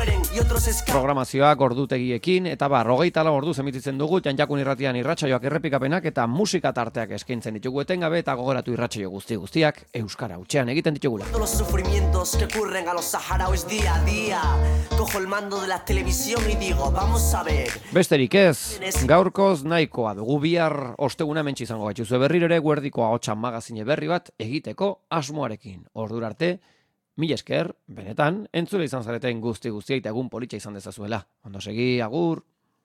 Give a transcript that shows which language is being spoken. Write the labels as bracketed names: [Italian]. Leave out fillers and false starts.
[Basque] Programazioak ordutegiekin eta hogeita lau ordu zemititzen dugu Jantxakun irratian irratsaioak errepikapenak eta musika tarteak eskaintzen ditugu etengabe eta gogoratu irratsaio guzti guztiak euskara hutsean egiten ditugula. [Spanish] Los sufrimientos que ocurren a los saharauis día a día. Cojo el mando de la televisión y digo, vamos a ver. [Basque] Besterik ez, gaurkoz nahikoa dugu bihar osteguna mentsi izango gaituzue berriro ere guerdiko ahotsa magazine berri bat egiteko asmoarekin. Ordura arte, mila esker, benetan, entzule izan zareten guzti guztiak eta egun politxa izan dezazuela. Ondo segi, agur!